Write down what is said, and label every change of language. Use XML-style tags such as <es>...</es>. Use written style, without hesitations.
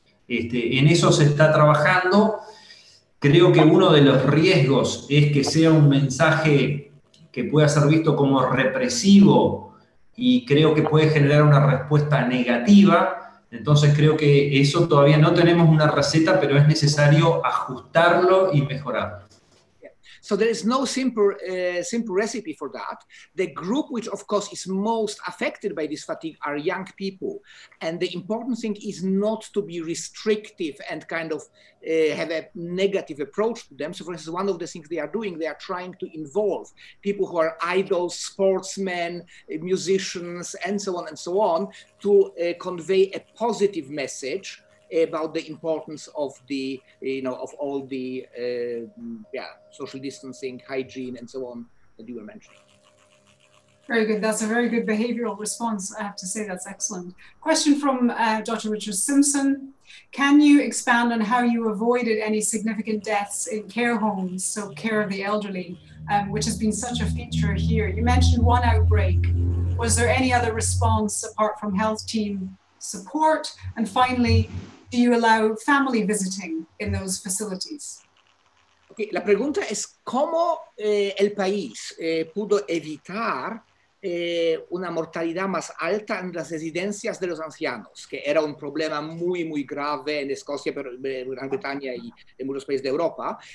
<es>En eso se está trabajando. Creo que uno de los riesgos es que sea un mensaje que pueda ser visto como represivo y creo que puede generar una respuesta negativa. Entonces creo que eso todavía no tenemos una receta, pero es necesario ajustarlo y mejorarlo.</es> <en>So there is no simple recipe for that. The group which of course is most affected by this fatigue are young people. And the important thing is not to be restrictive and kind of have a negative approach to them. So for instance, one of the things they are doing, they are trying to involve people who are idols, sportsmen, musicians, and so on, to convey a positive message about the importance of the, of all the social distancing, hygiene, and so on that you were mentioning. Very good. That's a very good behavioral response, I have to say. That's excellent. Question from Dr. Richard Simpson. Can you expand on how you avoided any significant deaths in care homes, so care of the elderly, which has been such a feature here? You mentioned one outbreak. Was there any other response apart from health team support? And finally, do you allow family visiting in those facilities?</en> <es>Okay, la pregunta es cómo el país pudo evitar una mortalidad más alta en las residencias de los ancianos, que era un problema muy, muy grave en Escocia, pero en Gran Bretaña y en muchos países de Europa.</es>